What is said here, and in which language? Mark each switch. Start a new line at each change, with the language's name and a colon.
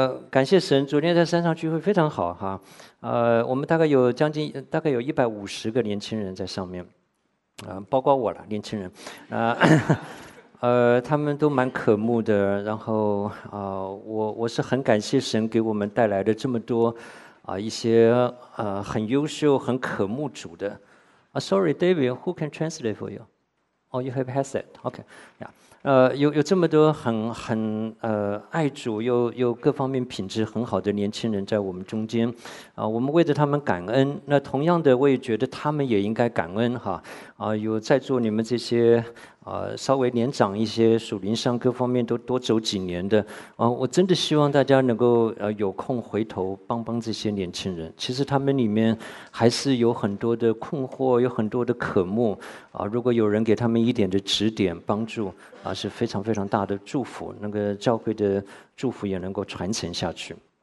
Chinese: 感谢神，昨天在山上聚会非常好哈。我们大概有将近大概有150个年轻人在上面包括我了，年轻人他们都蛮渴慕的，然后我是很感谢神给我们带来的这么多一些很优秀很渴慕主的
English: sorry David, who can translate for you? Oh, you have headset, okay, yeah.
Chinese: 有这么多很爱主又各方面品质很好的年轻人在我们中间我们为着他们感恩，那同样的我也觉得他们也应该感恩哈有在座你们这些稍微年长一些属灵上各方面都多走几年的我真的希望大家能够有空回头帮帮这些年轻人，其实他们里面还是有很多的困惑，有很多的渴慕如果有人给他们一点的指点帮助是非常非常大的祝福，那个教会的祝福也能够传承下去。